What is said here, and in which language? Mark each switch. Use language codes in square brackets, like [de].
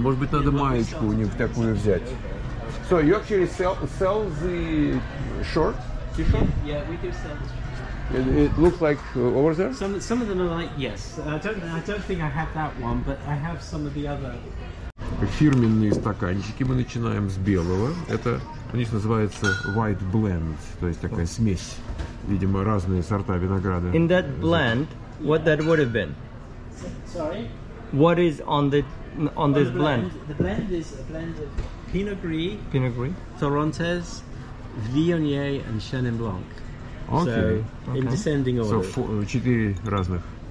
[ru] Может быть, надо маечку у них такую взять. [en] So, you actually sell the short t-shirt? Yeah, we do sell the t-shirt. It looks like over there? Some of them are like, yes. I don't think I have that one, but I have some of the other. [ru] Фирменные стаканчики мы начинаем с белого. Это у них называется white blend, то есть такая смесь. Видимо, разные сорта винограда. [en] In that blend, what that would have been? Sorry? What is on the on this blend? The blend is a blend of Pinot Gris, Torontes, Viognier, and Chenin Blanc. Okay. In descending order. So four [ru] разных.